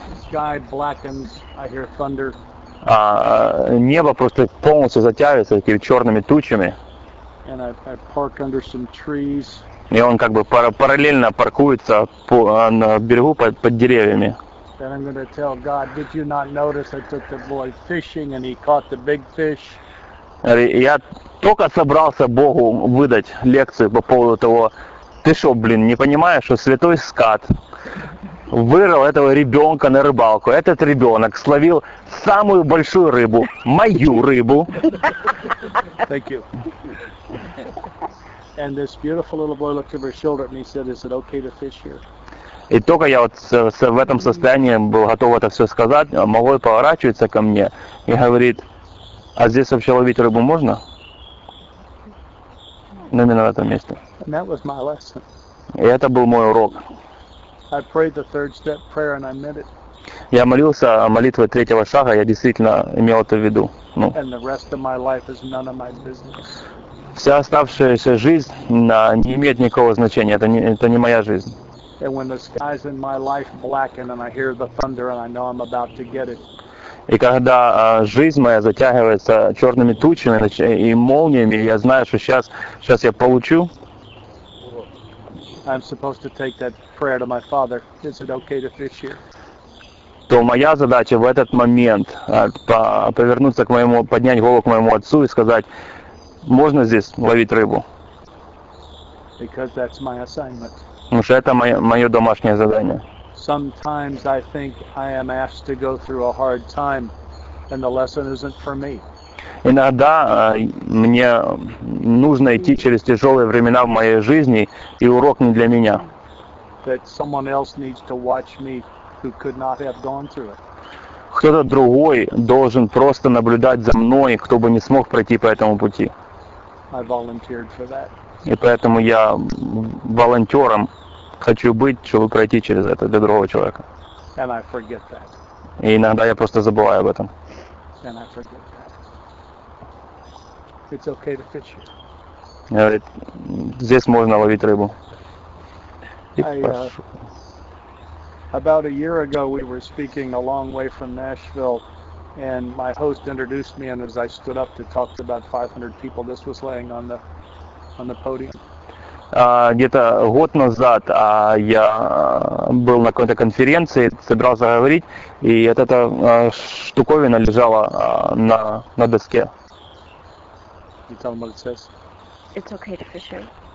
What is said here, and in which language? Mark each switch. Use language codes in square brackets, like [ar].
[en] Sky blackens, I hear thunder. [ru] Небо просто полностью затягивается такими черными тучами. [en] And I park under some trees. [ru] И он как бы параллельно паркуется на берегу под деревьями. [en] Then I'm going to tell God, did you not notice I took the boy fishing and he caught the big fish? [ru] Я только собрался Богу выдать лекцию по поводу того, ты что, блин, не понимаешь, что святой скат вырвал этого ребенка на рыбалку. Этот ребенок словил самую большую рыбу, мою рыбу. [en] Thank you. And this beautiful little boy looked over his shoulder at me and said, is it okay to fish here? [ru] И только я вот в этом состоянии был готов это все сказать, малой поворачивается ко мне и говорит, а здесь вообще ловить рыбу можно? Именно в этом месте. [en] And that was my lesson. [ru] И это был мой урок. [en] I prayed the third step prayer and I meant it. [ru] Я молился молитвой третьего шага, я действительно имел это в виду. Ну. [en] And the rest of my life is none of my business. [ru] Вся оставшаяся жизнь не имеет никакого значения, это не моя жизнь. [en] And when the skies in my life blacken and I hear the thunder and I know I'm about to get it. И когда жизнь моя затягивается черными тучами и молниями, я знаю, что сейчас я получу. I'm supposed to take that prayer to my father. Is it okay to fish here? [ru] То моя задача в этот момент повернуться к моему, поднять голову к моему отцу и сказать, можно здесь ловить рыбу? [en] Because that's my assignment. [ru] Потому что это мое домашнее задание. [en] Sometimes I think I am asked to go through a hard time, and the lesson isn't for me. [ru] Иногда мне нужно идти через тяжелые времена в моей жизни, и урок не для меня. [en] That someone else needs to watch me who could not have gone through it. [ru] Кто-то другой должен просто наблюдать за мной, кто бы не смог пройти по этому пути. [en] I volunteered for that. [ru] И поэтому я волонтером хочу быть, чтобы пройти через это для другого человека. [en] And I forget that. [ru] И иногда я просто забываю об этом. [en] And I forget that. It's okay to fish here. [ru] Говорит, здесь можно ловить рыбу. [en] About a year ago we were speaking a long way from Nashville, and my host introduced me, and as I stood up to talk to about 500 people, this was laying on the podium. [ru] Где-то год назад я был на какой-то конференции, собирался говорить, и эта штуковина лежала на доске. [en] You tell them what it says. It's okay to fish here.